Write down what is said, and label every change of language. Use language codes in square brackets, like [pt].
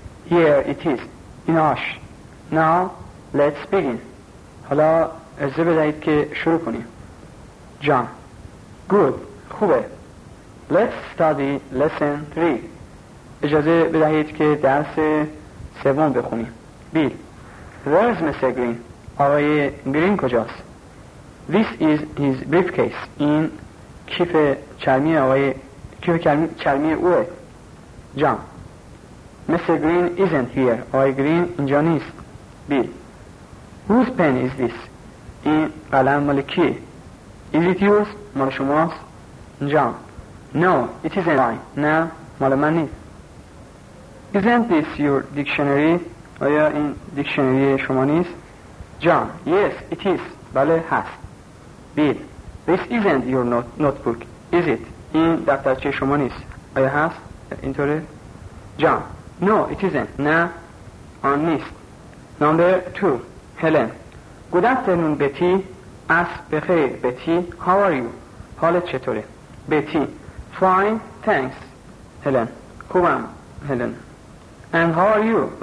[en] Here it is. In Ash. Now, let's begin. [fa] حالا اجازه بدهید که شروع کنیم. [en] John. Good. [fa] خوبه. [en] Let's study lesson 3. [fa] اجازه بدهید که درس سوم بخونیم. [en] Bill. Where's Mr. Green? [fa] آقای گرین کجاست؟ [en] This is his briefcase. [fa] این کیف چرمی آقای کیف چرمی اوه. [en] John. Mr. Green isn't here. [fa] آقای گرین اینجا نیست. [en] Bill. Whose pen is this? [fa] این قلم مال کیه؟ [en] Is it yours? [fa] مال شماست؟ John. [en] No, it isn't mine. [fa] نه، مال من نیست. [en] Isn't this your dictionary? [fa] آیا این دیکشنری شما نیست؟ John. [en] Yes, it is. [fa] بله، هست. [en] Bill. This isn't your notebook, is it? [fa] این دفترچه شما نیست. آیا هست؟ اینطوره؟ John. [en] No, it isn't. [fa] نه، آن نیست. [en] Number 2. Helen. Good afternoon, Betty. [fa] اس بخیر، Betty. [en] How are you? [fa] حالت چطوره؟ Betty. [en] Fine, thanks. Helen. [fa] خوبم، [en] Helen. And how are you?